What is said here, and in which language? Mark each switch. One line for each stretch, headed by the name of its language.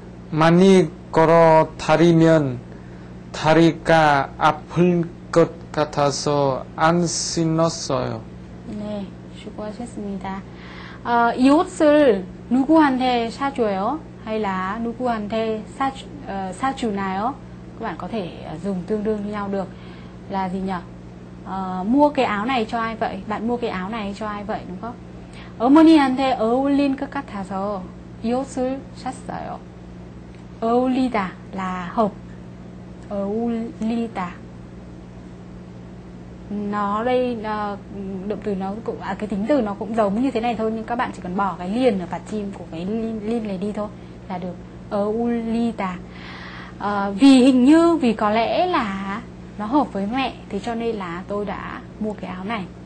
Korean: 많이 걸어 다리면 다리가 아플 것 같아서 안 신었어요. 네, 수고하셨습니다. 이 옷을 누구한테 사줘요? 아니라 누구한테 사주나요?
Vietnamese: Các bạn có thể dùng tương đương với nhau được. Là gì nhỉ? Mua cái áo này cho ai vậy? Bạn mua cái áo này cho ai vậy, đúng không?
Korean: 어머니한테 어울린 것 같아서 이 옷을 샀어요.
Vietnamese: 어울리다 là hợp. 어울리다 nó đây động từ nó cũng cái tính từ nó cũng giống như thế này thôi, nhưng các bạn chỉ cần bỏ cái liền ở phạt chim của cái liền này đi thôi là được. 어울리다 vì hình như, vì có lẽ là nó hợp với mẹ, thế cho nên là tôi đã mua cái áo này.